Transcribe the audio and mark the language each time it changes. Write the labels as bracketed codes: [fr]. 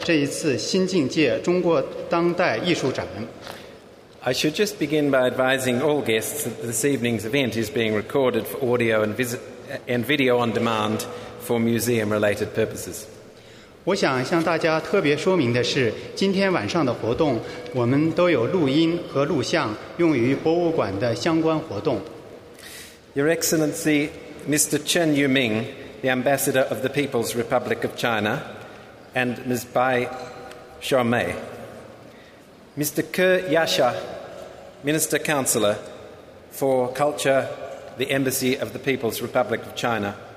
[zh] 我谨代表澳大利亚国家博物馆董事会，在座的有国家博物馆董事会的副主席安德里亚·哈尔教授，我想欢迎各位来参加我们今天的这一次新境界中国当代艺术展。 [en] I should just begin by advising all guests that this evening's event is being recorded for audio and, video on demand for museum-related purposes. [zh] 我想向大家特别说明的是，今天晚上的活动我们都有录音和录像，用于博物馆的相关活动。Your [en] Excellency, Mr. Chen Yuming, the Ambassador of the People's Republic of China, and Ms. Bai Xiaomei. Mr. Ke Yasha, Minister Councillor for Culture, the Embassy of the People's Republic of China.